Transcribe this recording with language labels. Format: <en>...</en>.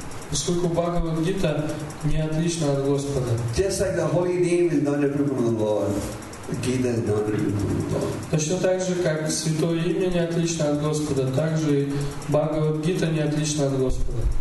<ru>Поскольку Бхагавад-гита не отлична от Господа.</ru> <en>Just like the holy name is not different from the Lord, the Gita is not different from the Lord.</en> <ru>Точно так же, как святое имя не отлично от Господа, так же и Бхагавад-гита не отлична от Господа.</ru>